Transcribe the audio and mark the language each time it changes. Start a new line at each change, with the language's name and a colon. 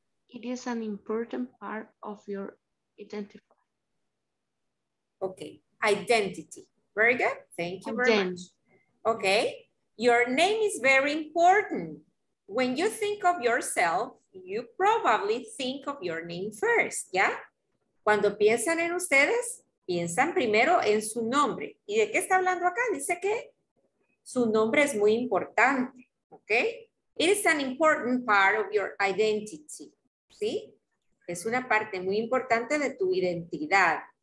English: It is an important part of your identity. Okay, identity. Very good. Thank you very Again. Much. Okay, your name is very important. When you think of yourself, you probably think of your name first, yeah?
Spanish: Cuando piensan en ustedes, piensan primero en su nombre. ¿Y de qué está hablando acá? Dice que su nombre es muy importante, okay?
English: It is an important part of your identity.
Spanish: ¿Sí? Es una parte muy importante de tu identidad.